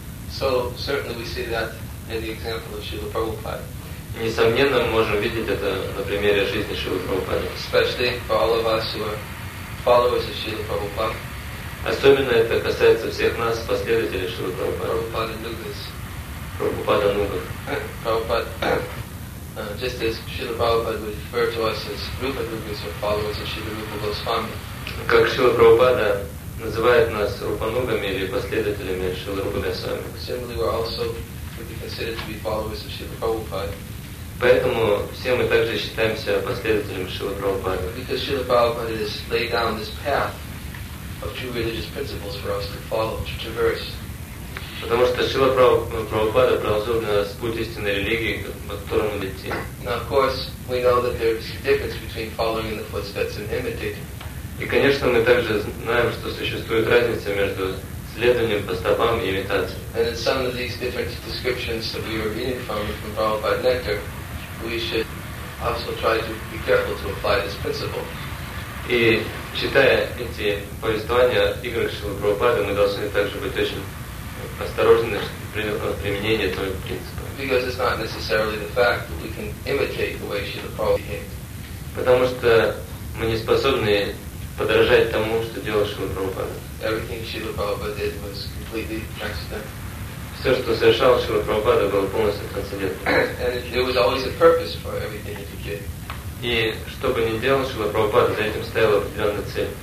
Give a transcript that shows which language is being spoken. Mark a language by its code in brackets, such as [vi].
[en] So certainly we see that in the example of Srila Prabhupada. [ru] И несомненно мы можем видеть это на примере жизни Шрилы Прабхупады. [en] Especially for all of us who are followers of Srila Prabhupada. [ru] Особенно это касается всех нас, последователей Шрилы Прабхупады. [en] Prabhupada Nugas. Prabhupada Nugas. Just as Srila Prabhupada would refer to us as Rupa Nugas or followers of Srila Rupa Goswami. [ru] Как Шрила Прабхупада называет нас рупанугами или последователями Шрилы Рупы Госвами. [en] Similarly, we're also would be considered to be followers of Srila Prabhupada. [ru] Поэтому все мы также считаемся последователями Шрилы Прабхупады. [en] Because Srila Prabhupada has laid down this path of true religious principles for us to follow, to traverse. [ru] Потому что Шрила Прабхупада проложил для нас путь истинной религии, по которому идти. [en] Now, of course, we know that there is a difference between following in the footsteps and imitating. [ru] И, конечно, мы также знаем, что существует разница между следованием по стопам и имитацией. [en] And in some of these different descriptions that we are reading from Prabhupada Nectar, we should also try to be careful to apply this principle. [ru] И, читая эти повествования игры Шрилы Прабхупады, мы должны также быть очень осторожны в применении этого принципа. [en] Because it's not necessarily the fact that we can imitate the way Srila Prabhupada behaved. [ru] Потому что мы не способны подражать тому, что делал Шрила Прабхупада. [en] Everything Srila Prabhupada did was completely transcendental. [ru] Все, что совершал Шрила Прабхупада, было полностью трансцендентно. [en] And there was always a purpose for everything that he did. [ru] И что бы ни делал Шрила Прабхупада, за этим стояла определенная цель.